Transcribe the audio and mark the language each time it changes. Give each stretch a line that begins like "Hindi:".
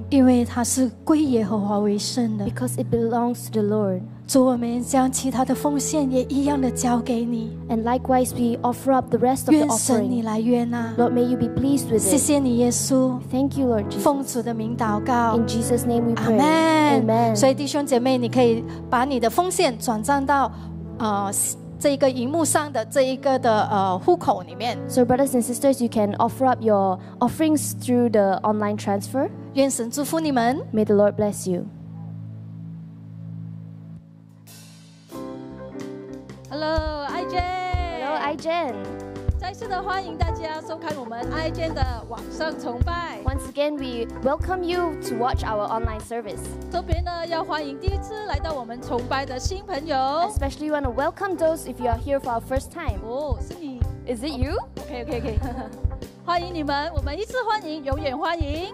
Chinese: 因为它是归耶和华为圣的。
English: Because it belongs to the Lord.
Chinese: 主，我们将其他的奉献也一样的交给你。
English: And likewise, we offer up the rest of the offering.
Chinese: 愿神你来悦纳。
English: Lord, may you be pleased with it.
Chinese: 谢谢你，耶稣。
English: Thank you, Lord Jesus.
Chinese: 奉主的名祷告。
English: In Jesus' name, we pray. Amen. Amen.
Chinese: 所以弟兄姐妹，你可以把你的奉献转账到，这个荧幕上的这一个的户口里面。
English: So brothers and sisters, you can offer up your offerings through the online transfer.
Chinese: 愿神祝福你们。
English: May the Lord bless you. Hello, IJ. Hello, IJ.
Chinese: 再次的欢迎大家收看我们 IJ 的网上崇拜。
English: Once again, we welcome you to watch our online service.
Chinese: 特别呢，要欢迎第一次来到我们崇拜的新朋友。
English: Especially want to welcome those if you are here for our first time.
Chinese: 哦，是你。
English: Is it you? Okay.
Chinese: 欢迎你们，我们一次欢迎，永远欢迎。